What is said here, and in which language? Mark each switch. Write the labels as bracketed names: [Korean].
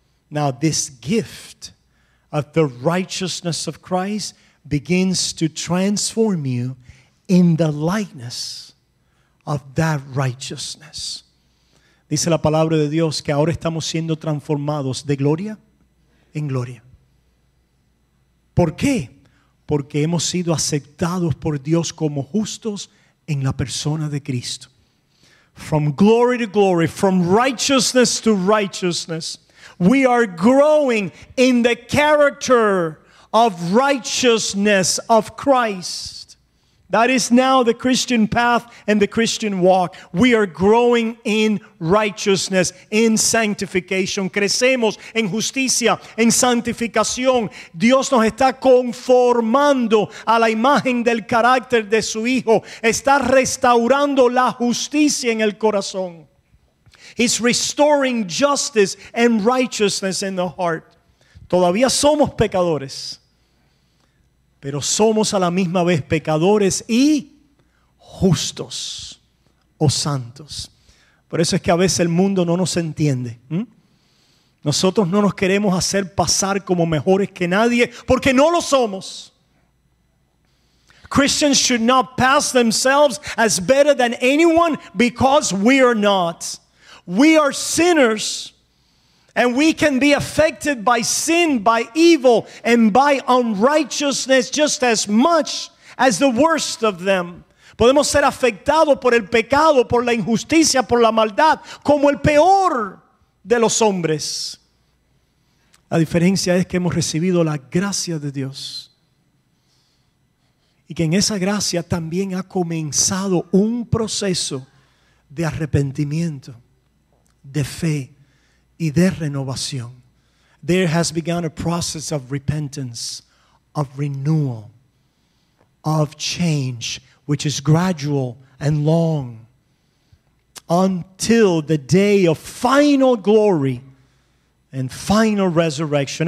[English] Now this gift of the righteousness of Christ begins to transform you in the likeness of that righteousness. [Spanish] Dice la palabra de Dios que ahora estamos siendo transformados de gloria en gloria. ¿Por qué? Porque hemos sido aceptados por Dios como justos en la persona de Cristo. [English] From glory to glory, from righteousness to righteousness, we are growing in the character of righteousness of Christ. That is now the Christian path and the Christian walk. We are growing in righteousness, in sanctification. [Spanish] Crecemos en justicia, en santificación. Dios nos está conformando a la imagen del carácter de su Hijo. Está restaurando la justicia en el corazón. [English] He's restoring justice and righteousness in the heart. [Spanish] Todavía somos pecadores, pero somos a la misma vez pecadores y justos o santos. Por eso es que a veces el mundo no nos entiende. Nosotros no nos queremos hacer pasar como mejores que nadie porque no lo somos. [English] Christians should not pass themselves as better than anyone because we are not. We are sinners. And we can be affected by sin, by evil, and by unrighteousness just as much as the worst of them. [Spanish] Podemos ser afectados por el pecado, por la injusticia, por la maldad, como el peor de los hombres. La diferencia es que hemos recibido la gracia de Dios. Y que en esa gracia también ha comenzado un proceso de arrepentimiento, de fe. Y de renovación. [English] There has begun a process of repentance, of renewal, of change, which is gradual and long, until the day of final glory and final resurrection.